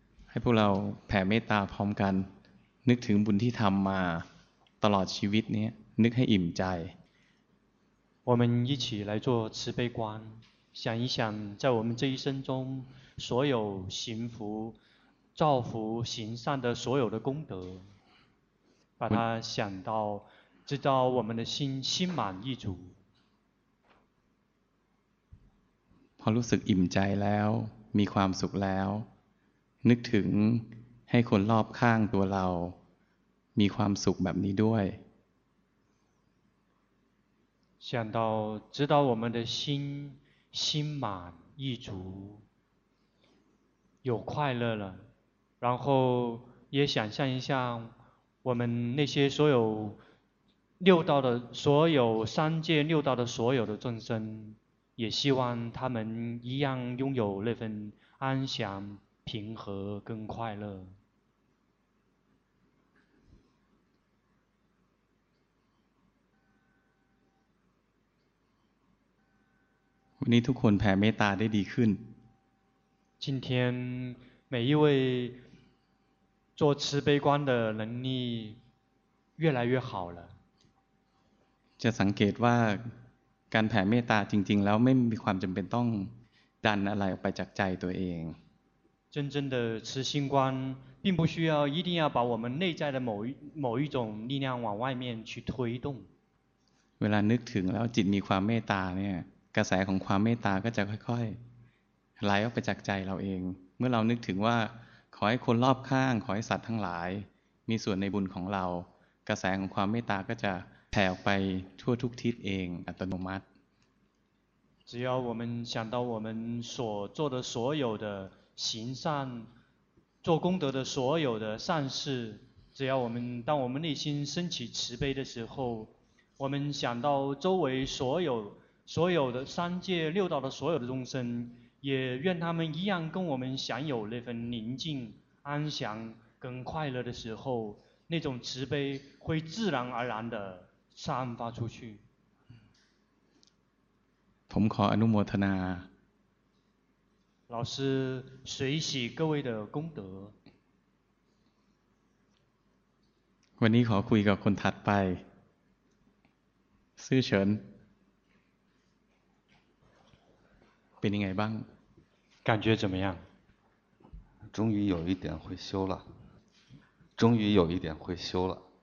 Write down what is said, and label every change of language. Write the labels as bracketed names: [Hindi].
[Thai] ให้พวกเราแผ่เมตตาพร้อมกันนึกถึงบุญที่ทำมาตลอดชีวิตนี้นึกให้อิ่มใจ [Chinese] 我们一起来做慈悲观想一想在我们这一生中所有行福造福行善的所有的功德把它想到直到我们的心心满意足 [Thai] พอรู้สึกอิ่มใจแล้วมีความสุขแล้วนึกถึงให้คนรอบข้างตัวเรามีความสุขแบบนี้ด้วย [Chinese] 想到知道我们的心心满意足有快乐了然后也想象一下我们那些所有六道的所有三界六道的所有的众生也希望他们一样拥有那份安详平和跟快乐 [Thai] วันนี้ทุกคนแผ่เมตตาได้ดีขึ้น [Chinese] 今天每一位做慈悲观的能力越来越好了 [Thai] จะสังเกตว่าการแผ่เมตตาจริงๆแล้วไม่มีความจำเป็นต้องดันอะไรออกไปจากใจตัวเอง [Chinese] 真正的慈心观并不需要一定要把我们内在的某一种力量往外面去推动 [Thai] เวลานึกถึงแล้วจิตมีความเมตตาเนี่ยกระแสของความเมตตาก็จะค่อยๆไหลออกไปจากใจเราเองเมื่อเรานึกถึงว่าขอให้คนรอบข้างขอให้สัตว์ทั้งหลายมีส่วนในบุญของเรากระแสของความเมตตาก็จะแผ่ออกไปทั่วทุกทิศเองอัตโนมัติ [Chinese] 只要我们想到我们所做的所有的行善做功德的所有的善事只要我们当我们内心升起慈悲的时候我们想到周围所有的三界六道的所有的众生也愿他们一样跟我们享有那份宁静安详跟快乐的时候那种慈悲会自然而然地散发出去 [Thai] ผมขออนุโมทนา [Chinese] 老师随喜各位的功德 [Thai] วันนี้ขอคุยกับคนถัดไปซื่อเฉินเป็นยังไงบ้าง [Chinese] 感觉怎么样终于有一点会修了终于有一点会修了